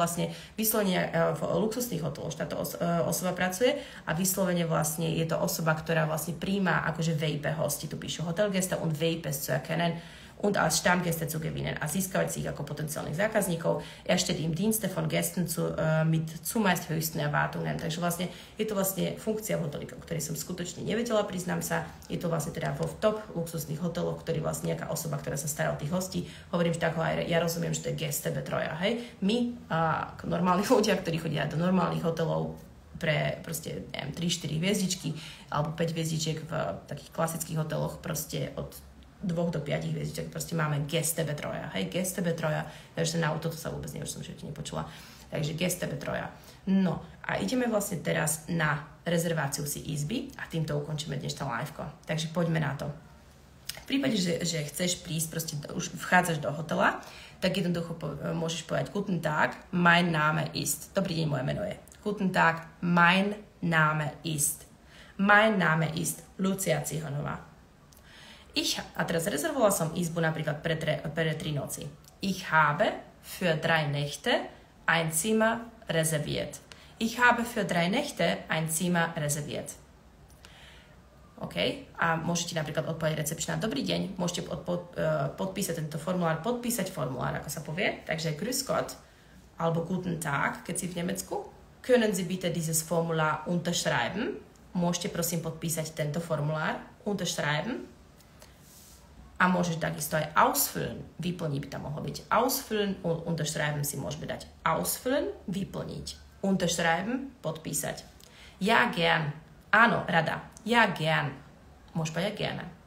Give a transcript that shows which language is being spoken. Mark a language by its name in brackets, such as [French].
[Slovak] To vlastne vyslovene v luxusných hoteloch táto osoba pracuje a vyslovene vlastne je to osoba, ktorá vlastne prijíma akože VIP hosti. [German] Tu píšu Hotelgäste und VIP zu erkennen und als Stammgäste zu gewinnen [Slovak] a získavať si ich ako potenciálnych zákazníkov. [German] Er steht im Dienste von Gästen mit zumeist höchsten Erwartungen. [Slovak] Takže vlastne je to vlastne funkcia hotelika, o ktorej som skutočne nevedela, priznám sa. Je to vlastne teda vo top luxusných hoteloch, ktorý vlastne nejaká osoba, ktorá sa stará o tých hostí. Hovorím, že tak ho aj ja rozumiem, že to je gästebetreuer, hej. My, ako normálni ľudia, ktorí chodia do normálnych hotelov, pre proste, neviem, 3-4 hviezdičky alebo 5 hviezdičiek v takých klasických hoteloch, proste od 2 do 5 hviezdičiek, proste máme gästebetreuer, hej, gästebetreuer, takže na toto sa vôbec neviem, že som všetko nepočula, takže gästebetreuer. No, a ideme vlastne teraz na rezerváciu si izby a týmto ukončíme dnešné liveko, takže poďme na to. V prípade, že chceš prísť, proste už vchádzaš do hotela, tak jednoducho môžeš povedať [German] Guten Tag, mein Name ist. [Slovak] Dobrý deň, moje meno je. [German] Guten Tag, mein Name ist. Mein Name ist Lucia Cihonová. [Slovak] A teraz rezervovala som izbu napríklad pre 3 noci. [German] Ich habe für 3 Nächte ein Zimmer reserviert. Ich habe für 3 Nächte ein Zimmer reserviert. [Slovak] OK, a môžete napríklad odpovedať recepčná. Dobrý deň, môžete podpísať tento formulár, podpísať formulár, ako sa povie. Takže [German] grüß Gott, [Slovak] alebo [German] guten Tag, [Slovak] keď si v Nemecku. [German] Können Sie bitte dieses Formular unterschreiben? [Slovak] Môžete prosím podpísať tento formulár, unterschreiben. A môžeš takisto aj ausfüllen, vyplniť by tam mohlo byť. Ausfüllen, unterschreiben si môžeme dať. Ausfüllen, vyplniť. Unterschreiben, podpísať. [German] Ja gern, [Slovak] áno, rada. Ja gern, môžeš povedať gerne.